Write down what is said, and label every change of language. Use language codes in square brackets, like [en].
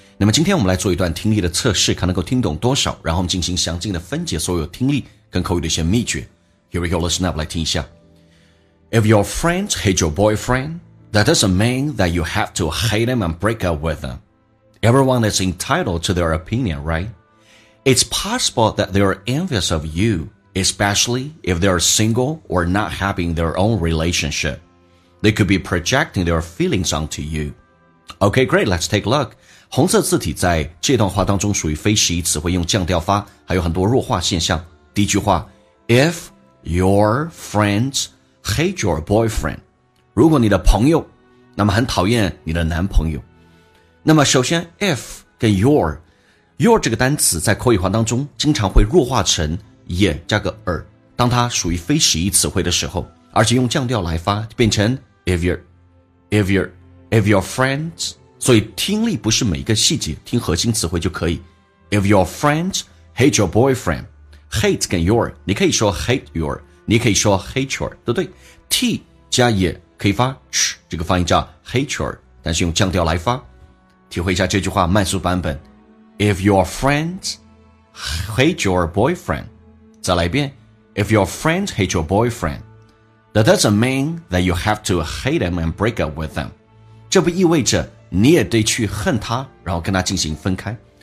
[zh] 那么今天我们来做一段听力的测试，看能够听懂多少，然后我们进行详尽的分解所有听力跟口语的一些秘诀。 [en] Here we go, listen up, [zh] 来听一下。 [en] If your friends hate your boyfriend, that doesn't mean that you have to hate him and break up with him. Everyone is entitled to their opinion, right? It's possible that they are envious of youespecially if they are single or not happy in their own relationship. They could be projecting their feelings onto you. Okay, great, let's take a look. [zh] 红色字体在这段话当中属于非实义词汇，用降调发，还有很多弱化现象。第一句话， [en] If your friends hate your boyfriend, [zh] 如果你的朋友那么很讨厌你的男朋友。那么首先 if 跟 your 这个单词在口语化当中经常会弱化成也加个耳，当它属于非实义词汇的时候，而且用降调来发，变成 [en] if your friends， [zh] 所以听力不是每一个细节，听核心词汇就可以。 [en] If your friends hate your boyfriend, [zh] hate 跟 your， 你可以说 [en] hate your， [zh] 你可以说 hate your， 对不对 ？T 加也可以发 sh， 这个发音叫 hate your， 但是用降调来发。体会一下这句话慢速版本 [en] ：If your friends hate your boyfriend。 [zh] 再来一遍 [en] If your friends hate your boyfriend, that doesn't mean that you have to hate him and break up with him. [zh] 这不意味着你也得去恨他，然后跟他进行分开。